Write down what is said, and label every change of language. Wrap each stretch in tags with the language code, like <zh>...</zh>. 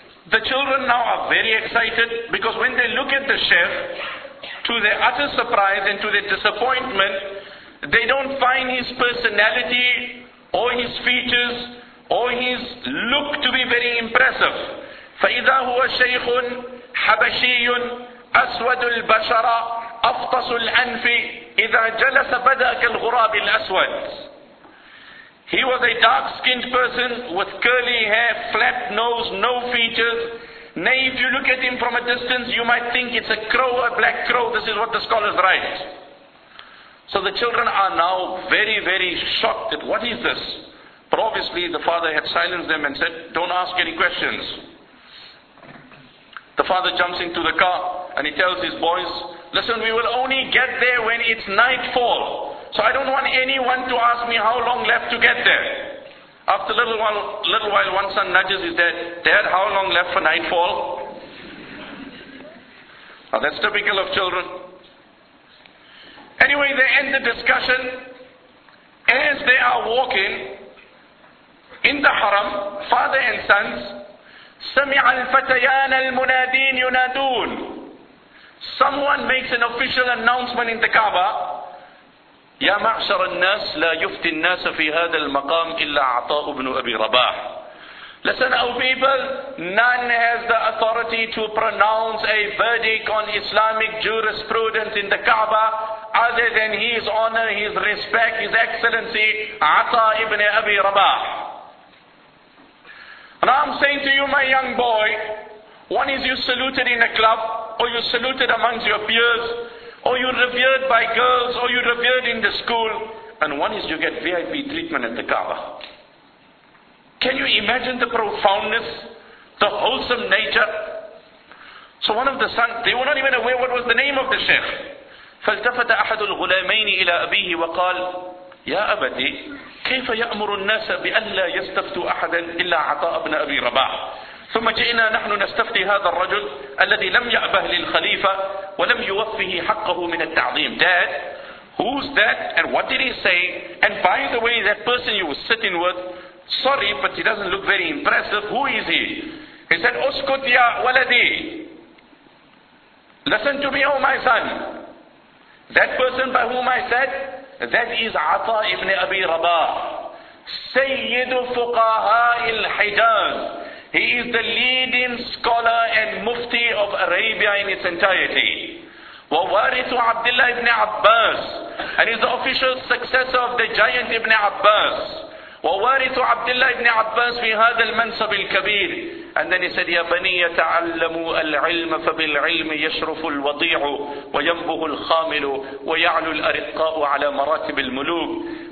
<en>The children now are very excited, because when they look at the Shaykh, to their utter surprise and to their disappointment, they don't find his personality or his features or his look to be very impressive.</en> <ar>فَإِذَا هُوَ شَيْخٌ حَبَشِيٌ أَسْوَدُ الْبَشَرَ أَفْطَسُ الْأَنْفِ إِذَا جَلَسَ بَدَأَكَ الْغُرَابِ الْأَسْوَدِ.</ar> <en>He was a dark-skinned person with curly hair, flat nose, no features. Nay, if you look at him from a distance, you might think it's a crow, a black crow. This is what the scholars write. So the children are now very, very shocked at what is this. But obviously the father had silenced them and said, don't ask any questions. The father jumps into the car and he tells his boys, listen, we will only get there when it's nightfall. So I don't want anyone to ask me how long left to get there. After a little while, one son nudges his dad, Dad, how long left for nightfall? Now that's typical of children. Anyway, they end the discussion. As they are walking in the haram, father and sons,</en> <ar>سَمِعَ الْفَتَيَانَ الْمُنَادِينَ يُنَادُونَ.</ar> <en>Someone makes an official announcement in the Kaaba.</en> <ar>يا معشر الناس لا يفتي الناس في هذا المقام إلا عطاء بن أبي رباح.</ar> <en>Listen, O people, none has the authority to pronounce a verdict on Islamic jurisprudence in the Kaaba other than his honor, his respect, his excellency, Ata ibn Abi Rabah. And I'm saying to you, my young boy, one is you saluted in a club, or you saluted amongst your peers, or you revered by girls, or you revered in the school, and one is you get VIP treatment in the Kaaba. Can you imagine the profoundness, the wholesome nature? So one of the sons, they were not even aware what was the name of the sheikh.</en> <ar>فالتفت أحد الغلامين إلى أبيه وقال يا أبتي كيف يأمر الناس بألا يستفتوا أحدا إلا عطاء ابن أبي رباح. ثم جئنا نحن نستفتي هذا الرجل الذي لم يأبه للخليفة ولم يوفه حقه من التعظيم.</ar> <en>Dad, who's that and what did he say? And by the way, that person you were sitting with, sorry, but he doesn't look very impressive. Who is he? He said,</en> <ar>Uskut ya waladi.</ar> <en>Listen to me, oh my son. That person by whom I said, that is Ata ibn Abi Rabah,</en> <ar>Sayyidu Fuqaha al-Hijaz.</ar> <en>He is the leading scholar and mufti of Arabia in its entirety.</en> <ar>Wa warithu</ar> <en>Abdullah ibn Abbas. And he's the official successor of the giant ibn Abbas.</en> <ar>وَوَارِثُ عَبْدِ اللَّهِ بْنِ عَبَّاسِ فِي هَذَا الْمَنْصَبِ الْكَبِيرِ.</ar> <en>And then he said,</en> <ar>يَا بَنِي يَتَعَلَّمُوا الْعِلْمَ فَبِالْعِلْمِ يَشْرُفُ الْوَضِيعُ وَيَنْبُهُ الْخَامِلُ وَيَعْلُ الْأَرِقَّاءُ عَلَى مَرَاتِبِ الْمُلُوكِ.</ar>